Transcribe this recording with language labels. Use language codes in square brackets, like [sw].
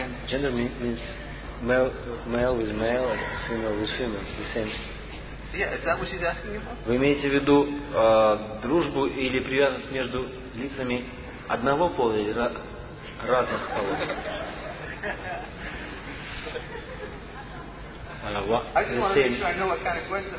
[en] Gender means male with male and female with female. It's the same. Yeah, is that what she's asking you about? [ru] Вы имеете в виду дружбу или привязанность между лицами одного пола или разных полов? [en] I just want to make sure I know what kind of question.